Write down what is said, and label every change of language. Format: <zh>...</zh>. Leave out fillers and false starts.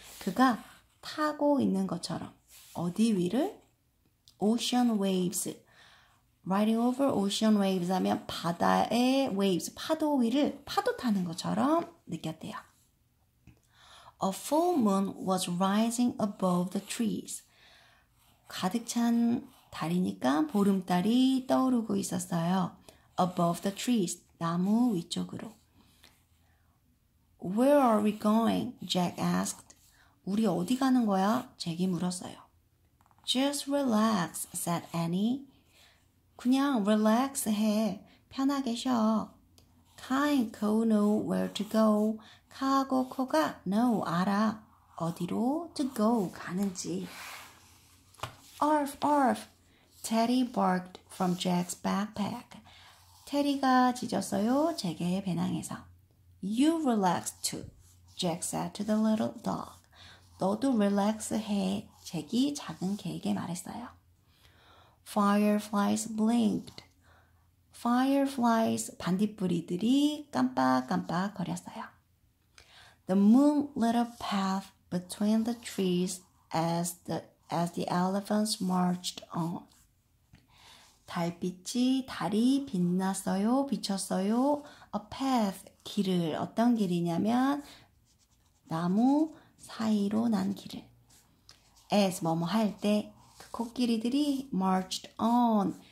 <ko>그가 타고 있는 것처럼. 어디 위를?</ko> <en>Ocean waves. Riding over ocean waves</en> <ko>하면 바다의 waves, 파도 위를 파도 타는 것처럼 느꼈대요.</ko> <en>A full moon was rising above the trees.</en> <ko>가득 찬 달이니까 보름달이 떠오르고 있었어요.</ko> <en>Above the trees,</en> <ko>나무 위쪽으로.</ko> <en>Where are we going? Jack asked.</en> <ko>우리 어디 가는 거야? 잭이 물었어요.</ko> <en>Just relax, said Annie.</en> <ko>그냥 relax 해. 편하게 쉬어.</ko> <en>Kind Ko know where to go.</en> <ko>카하고 코가 know, 알아. 어디로 to go, 가는지. Arf, arf.</ko> <en>Teddy barked from Jack's backpack.</en> <ko>테리가 짖었어요, 제게 배낭에서.</ko> <en>You relax too, Jack said to the little dog.</en> <ko>너도 relax 해, 잭이 작은 개에게 말했어요.</ko> <en>Fireflies blinked. Fireflies,</en> <ko>반딧불이들이 깜빡깜빡 거렸어요.</ko> <en>The moon lit a path between the trees as the elephants marched on.</en> <ko>달빛이, 달이 빛났어요, 비쳤어요. A path, 길을. 어떤 길이냐면 나무 사이로 난 길을. As, 뭐뭐 할 때, 그 코끼리들이</ko> <en>marched on.</en>